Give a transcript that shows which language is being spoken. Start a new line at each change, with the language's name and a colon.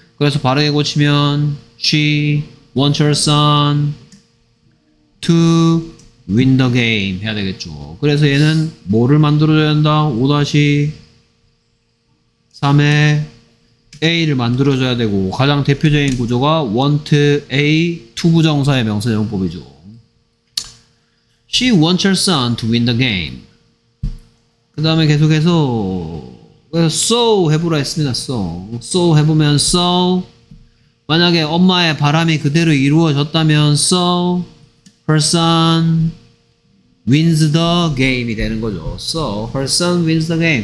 Korean: 그래서 바르게 고치면
English: She wants her son to win the game
Korean: 해야 되겠죠. 그래서 얘는 뭐를 만들어줘야 한다? 5-3의 A를 만들어줘야 되고 가장 대표적인 구조가 want A 투부정사의 명사용법이죠.
English: She wants her son to win the game.
Korean: 그 다음에 계속해서 so 해보라 했습니다. So 해보면 so 만약에 엄마의 바람이 그대로 이루어졌다면
English: so her son wins the game
Korean: 이 되는 거죠.
English: So her son wins the game.